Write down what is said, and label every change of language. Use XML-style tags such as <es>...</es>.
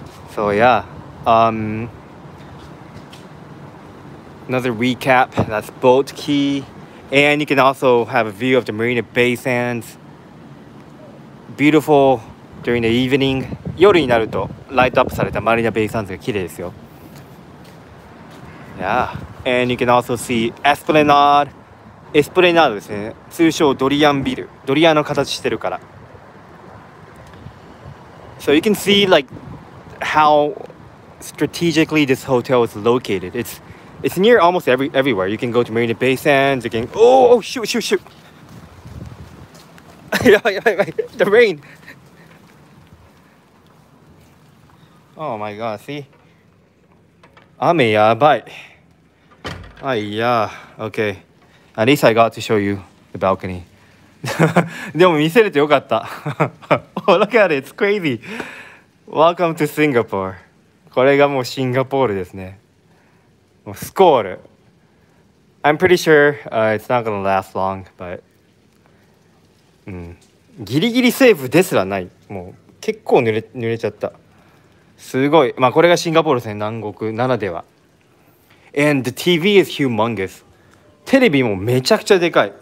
<en>So yeah, another recap, that's Boat Key, and you can also have a view of the Marina Bay Sands. Beautiful during the evening.</en> <ja>夜になるとライトアップされたマリナベイサンズが綺麗ですよ。</ja> <en>Yeah, and you can also see Esplanade. Esplanade</en> <ja>ですね。通称ドリアンビル。ドリアンの形してるから。</ja> <en>So you can see likeHow strategically this hotel is located. It's near almost everywhere. You can go to Marina Bay Sands. You can. Oh, shoot. The rain. Oh my god, see?</en> <ja>Ame yabai.</ja> <en>Ay ya. Okay. At least I got to show you the balcony.</en> <ja>でも見せれてよかった.</ja> <en>Oh, look at it, it's crazy. Welcome to Singapore.</en> <ja>これがもうシンガポールですね. スコール.</ja> <en>I'm pretty sure it's not gonna last long, but...</en> <ja>ギリギリセーフですらない.もう結構濡れちゃった.すごい. まあこれがシンガポールですね、南国ならでは.</ja> <en>And the TV is humongous.</en> <ja>テレビもめちゃくちゃでかい.</ja>